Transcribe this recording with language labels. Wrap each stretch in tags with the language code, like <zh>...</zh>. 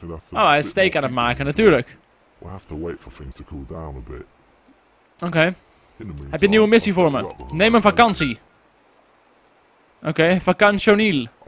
<nl>Oh, hij is steek aan het maken, natuurlijk.</nl> <en>We have to wait for things to cool down a bit. Oké. Okay.</en> <nl>Heb je een nieuwe missie voor me? Neem een vakantie. Oké, vakantioneel.</nl>